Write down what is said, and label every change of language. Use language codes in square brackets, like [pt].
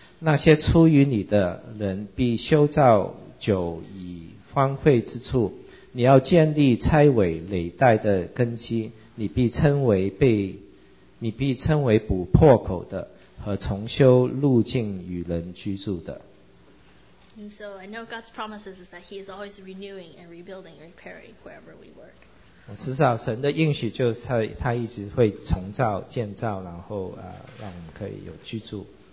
[zh] 那些出于你的人必修造久已荒废之处，你要建立拆毁垒带的根基，你必称为补破口的和重修路径与人居住的。 [en] And so I know God's promises is that He is always renewing and rebuilding and repairing wherever we work. [zh] 我知道神的应许就是他一直会重造建造，然后让我们可以有居住。